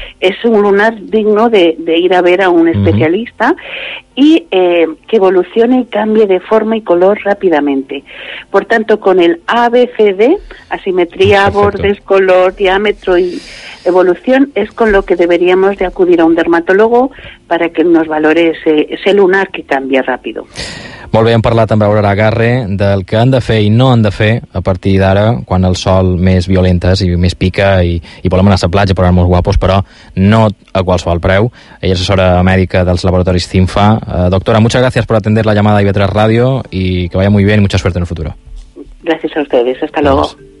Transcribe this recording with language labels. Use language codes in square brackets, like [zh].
[es] Es un lunar digno de ir a ver a un especialista y que evolucione y cambie de forma y color rápidamente. Por tanto, con el ABCD, asimetría, bordes, color, diámetro y evolución, es con lo que deberíamos de acudir a un dermatólogo para que nos valore ese lunar que cambia rápido. [ca] Molt bé, hem parlat amb Aurora Agarre del que han de fer i no han de fer a partir d'ara, quan el sol més violentes i més pica i volem anar a la platja per anar molt guapos, però no a qualsevol preu. Ella és assessora mèdica dels laboratoris CINFA. [es] Doctora, muchas gracias por atender la llamada a IB3 Radio y que vaya muy bien y mucha suerte en el futuro. Gracias a ustedes, hasta luego.